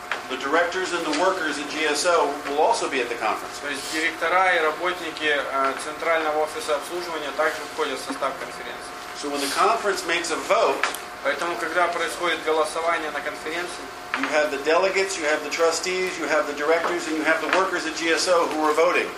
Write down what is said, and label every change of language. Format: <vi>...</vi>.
<en>The directors and the workers at GSO will also be at the conference.</en> <ru>То есть директора и работники центрального офиса обслуживания также входят в состав конференции.</ru> <en>So when the conference makes a vote,</en> <ru>поэтому когда происходит голосование на конференции,</ru> <en>you have the delegates, you have the trustees, you have the directors, and you have the workers at GSO who are voting.</en>